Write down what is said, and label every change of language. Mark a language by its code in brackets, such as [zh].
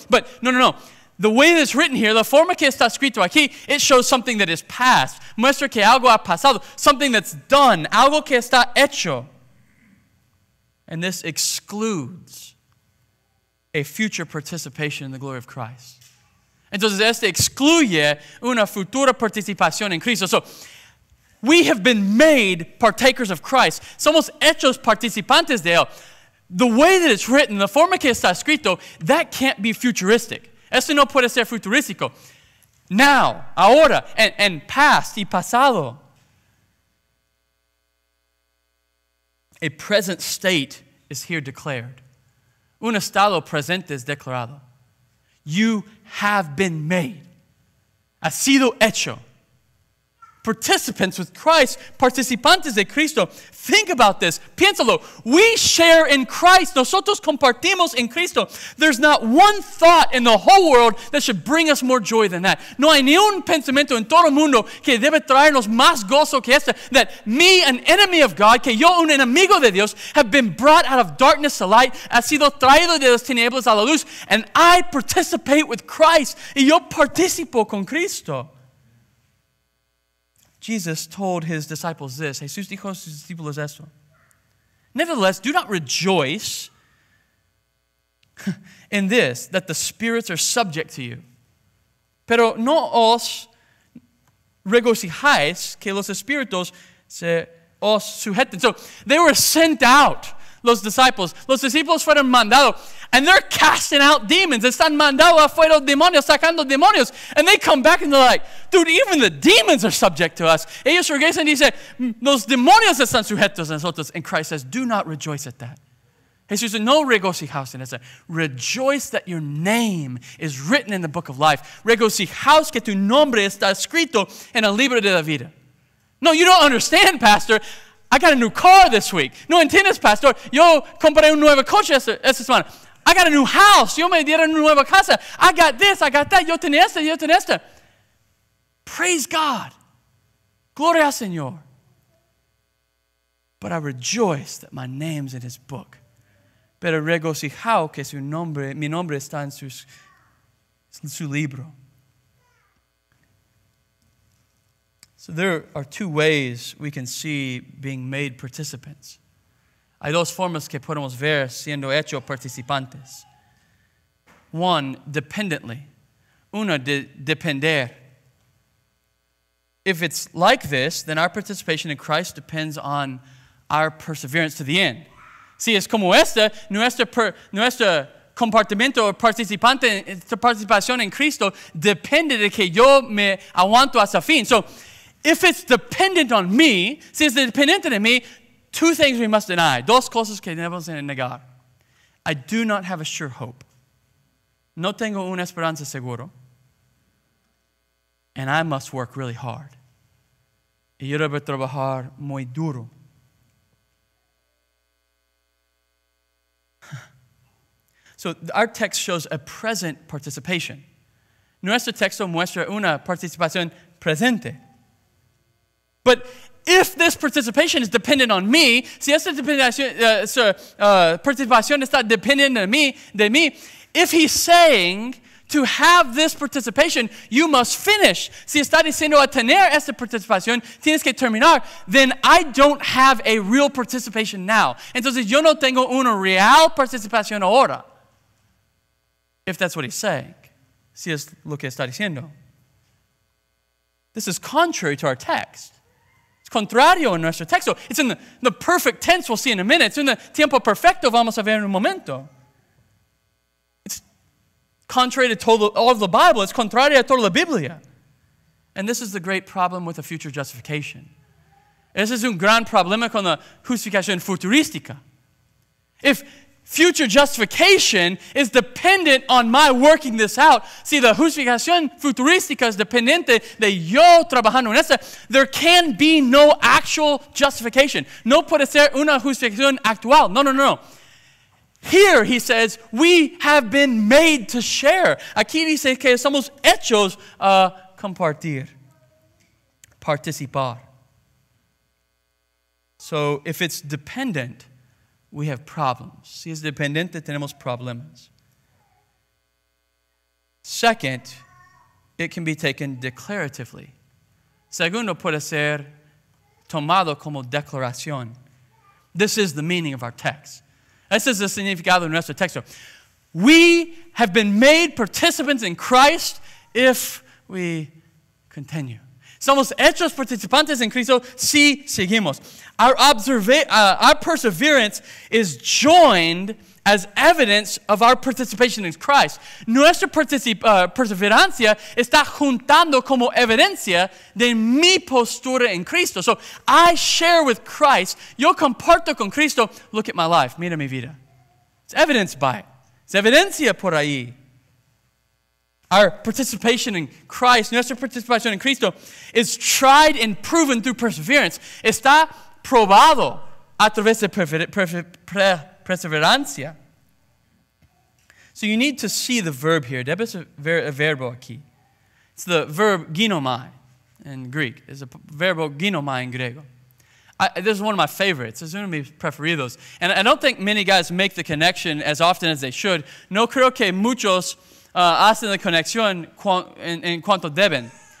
[en] But no. The way that's written here, [es] la forma que está escrito aquí, [en] it shows something that is past. [es] Muestra que algo ha pasado. [en] Something that's done. [es] Algo que está hecho. [en] And this excludes a future participation in the glory of Christ. [es] Entonces, este excluye una futura participación en Cristo. [en] So, we have been made partakers of Christ. [es] Somos hechos participantes de Él. [en] The way that it's written, [es] la forma que está escrito, [en] that can't be futuristic. [es] Esto no puede ser futurístico. [en] Now, [es] ahora, [en] and past [es] y pasado. [en] A present state is here declared. [es] Un estado presente es declarado. [en] You have been made. [es] Has sido hecho. [en] participants with Christ, [es] participantes de Cristo. [en] Think about this. [es] Piénsalo. [en] We share in Christ. [es] Nosotros compartimos en Cristo. [en] There's not one thought in the whole world that should bring us more joy than that. [es] No hay ni un pensamiento en todo el mundo que debe traernos más gozo que este. [en] That me, an enemy of God, [es] que yo, un enemigo de Dios, [en] have been brought out of darkness to light, [es] ha sido traído de las tinieblas a la luz, [en] and I participate with Christ. [es] Y yo participo con Cristo. [en] Jesus told his disciples this. [es] Jesús dijo a sus discípulos esto. [en] Nevertheless, do not rejoice in this, that the spirits are subject to you. Pero no os regocijáis que los espíritus se os sujeten. So they were sent out, los disciples. [es] Los discípulos fueron mandados. [en] And they're casting out demons. [es] Están mandando afuera demonios, sacando demonios. [en] And they come back and they're like, dude, even the demons are subject to us. [es] Ellos regresan y dicen, los demonios están sujetos a nosotros. [en] And Christ says, do not rejoice at that. [es] Jesús dice, no regocijaos en eso. [en] Rejoice that your name is written in the book of life. [es] Regocijaos que tu nombre está escrito en el libro de la vida. [en] No, you don't understand, pastor. I got a new car this week. [es] No entiendes, pastor. Yo compré un nuevo coche esta semana. [en] I got a new house. [es] Yo me dieron una nueva casa. [en] I got this. I got that. [es] Yo tenía esta. [en] Praise God. [es] Gloria al Señor. [en] But I rejoice that my name's in his book. [es] Pero regocijao que mi nombre está en su libro. [en] So there are two ways we can see being made participants. Hay dos formas que podemos ver siendo hecho participantes. One, dependently. [es] Una, depender. [en] If it's like this, then our participation in Christ depends on our perseverance to the end. [es] Si es como esta, nuestro compartimento o participante, nuestra participación en Cristo depende de que yo me aguanto hasta fin. [en] So if it's dependent on me, [es] si es dependiente de mí, [en] two things we must deny. [es] Dos cosas que debemos negar. [en] I do not have a sure hope. [es] No tengo una esperanza seguro. [en] And I must work really hard. [es] Y yo debo trabajar muy duro. [en] So our text shows a present participation. [es] Nuestro texto muestra una participación presente. [en] But if this participation is dependent on me, [es] si esta participación está dependiendo de mí, [en] if he's saying to have this participation, you must finish. [es] Si está diciendo a tener esta participación, tienes que terminar. [en] Then I don't have a real participation now. [es] Entonces yo no tengo una real participación ahora. [en] If that's what he's saying. [es] Si es lo que está diciendo. [en] This is contrary to our text. [es] It's contrario en nuestro texto. [en] It's in the perfect tense, we'll see in a minute. It's in the [es] tiempo perfecto, vamos a ver en un momento. [en] It's contrary to all of the Bible. It's [es] contrario a toda la Biblia. [en] And this is the great problem with the future justification. [es] Ese es un gran problema con la justificación futurística. [en] If future justification is dependent on my working this out. [es] Si la justificación futurística es dependiente de yo trabajando en esta, [en] there can be no actual justification. [es] No puede ser una justificación actual. No. [en] Here, he says, we have been made to share. [es] Aquí dice que somos hechos a compartir, participar. [en] So if it's dependent, we have problems. [es] Si es dependiente, tenemos problemas. [en] Second, it can be taken declaratively. [es] Segundo, puede ser tomado como declaración. [en] This is the meaning of our text. [es] Este es el significado de nuestro texto. [en] We have been made participants in Christ if we continue. [es] Somos hechos participantes en Cristo si seguimos. [en] Our perseverance is joined as evidence of our participation in Christ. [es] Nuestra perseverancia está juntando como evidencia de mi postura en Cristo. [en] So I share with Christ. [es] Yo comparto con Cristo. [en] Look at my life. [es] Mira mi vida. [en] It's evidenced by it. [es] Es evidencia por ahí. [en] our participation in Christ, [es] nuestra participación en Cristo, [en] is tried and proven through perseverance. [es] Está probado a través de perseverancia. [en] So you need to see the verb here. Debes ver el verbo aquí. It's the verb ginomai in Greek. It's a verbo ginomai in griego. This is one of my favorites. It's one of my preferidos. And I don't think many guys make the connection as often as they should. [es] No creo que muchos hacen la conexión en cuanto deben.